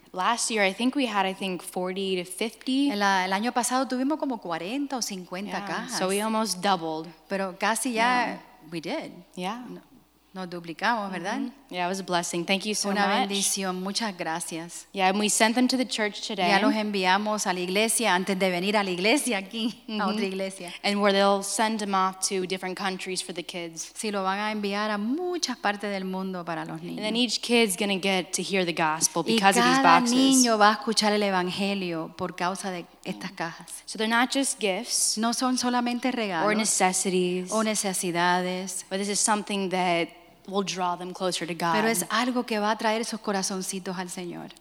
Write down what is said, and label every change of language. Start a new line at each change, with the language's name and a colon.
English: Last year, I think 40 to 50.
Spanish: El año pasado tuvimos como 40 o 50 cajas.
English: So we almost doubled.
Spanish: Pero casi ya,
English: we did. Yeah.
Spanish: Nos duplicamos, ¿verdad?
English: Yeah, it was a blessing. Thank you so
Spanish: Una bendición.
English: Much.
Spanish: Muchas gracias.
English: Yeah, and we sent them to the church today.
Spanish: Ya los enviamos a la iglesia antes de venir a la iglesia aquí, a otra iglesia.
English: And where they'll send them off to different countries for the kids.
Spanish: Sí, lo van a enviar a muchas partes del mundo para los niños.
English: And then each kid's going to get to hear the gospel because
Spanish: y cada
English: of these boxes.
Spanish: Niño va a escuchar el evangelio por causa de estas cajas.
English: So they're not just gifts.
Spanish: No son solamente regalos.
English: Or necessities.
Spanish: O necesidades.
English: But this is something that will draw them closer to God.
Spanish: Pero es algo que va a traer esos corazoncitos al Señor.